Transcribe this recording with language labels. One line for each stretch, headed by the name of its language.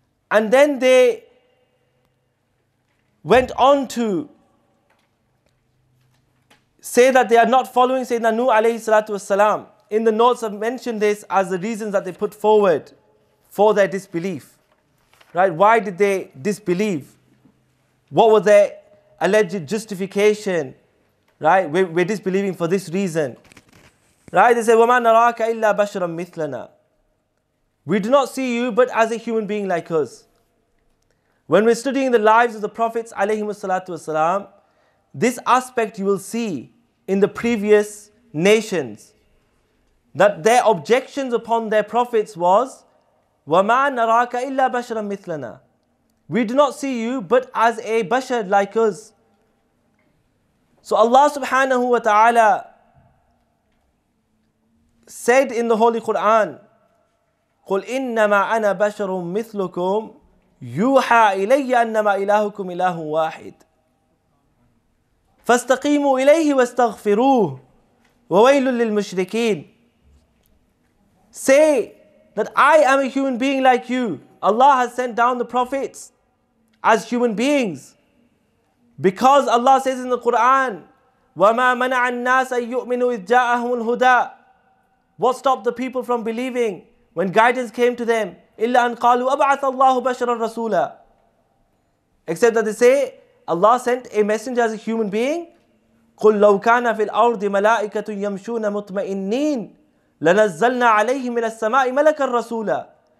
English: And then they went on to say that they are not following Sayyiduna Nuh alayhi salatu wasalam. In the notes I've mentioned this as the reasons that they put forward for their disbelief. Right? Why did they disbelieve? What was their alleged justification? Right? We're disbelieving for this reason. Right? They say,
Arabic: وَمَا نَرَاكَ إِلَّا بَشْرًا مِثْلَنَا.
English: We do not see you but as a human being like us. When we're studying the lives of the Prophets alayhi salatu wasalam, this aspect you will see in the previous nations, that their objections upon their prophets was,
Arabic: وَمَا نَرَاكَ إِلَّا بَشْرًا مِثْلَنَا.
English: We do not see you but as a bashar like us. So Allah subhanahu wa ta'ala said in the Holy Quran,
Arabic: قُلْ إِنَّمَا أَنَا بَشَرٌ مِثْلُكُمْ يُوحَى إِلَيَّ أَنَّمَا إِلَهُكُمْ إِلَهٌ وَاحِدٌ فَاسْتَقِيمُوا إِلَيْهِ وَاسْتَغْفِرُوهُ وَوَيْلٌ لِلْمُشْرِكِينَ.
English: Say that I am a human being like you. Allah has sent down the prophets as human beings. Because Allah says in the Quran,
Arabic: وَمَا مَنَعَ النَّاسَ يُؤْمِنُوا إِذْ جَاءَهُمُ الْهُدَىٰ.
English: What stopped the people from believing when guidance came to them?
Arabic: إِلَّا أَنْ قَالُوا أَبْعَثَ اللَّهُ بَشَرًا رَسُولًا.
English: Except that they say, Allah sent a messenger as a human being.
Arabic: قُلْ لَوْ كَانَ فِي الْأَرْضِ مَلَائِكَةٌ يَمْشُونَ مُطْمَئِنِّينَ لَنَزَّلْنَا عَلَيْهِمْ مِنَ السَّمَاءِ مَلَكًا رَسُولًا.